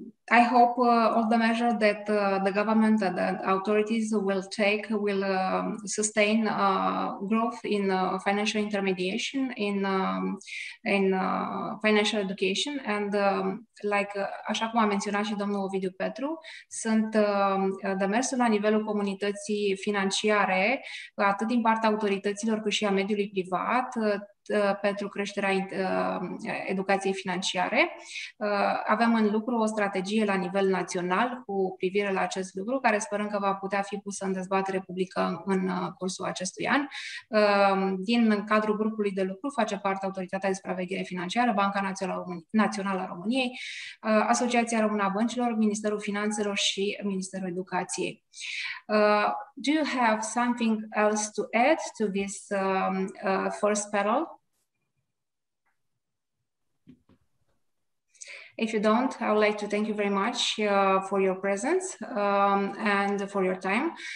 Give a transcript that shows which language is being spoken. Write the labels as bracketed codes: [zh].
[en] I hope all the measures that the government and the authorities will take will sustain growth in financial intermediation, in financial education. And like [ro] așa cum a menționat și domnul Ovidiu Petru, sunt demersul la nivelul comunității financiare, atât din partea autorităților cât și a mediului privat, pentru creșterea educației financiare. Avem în lucru o strategie la nivel național cu privire la acest lucru, care sperăm că va putea fi pusă în dezbatere publică în cursul acestui an. Din cadrul grupului de lucru face parte Autoritatea de Supraveghere Financiară, Banca Națională a României, Asociația Română a Băncilor, Ministerul Finanțelor și Ministerul Educației. [en] Do you have something else to add to this first panel? If you don't, I would like to thank you very much for your presence and for your time.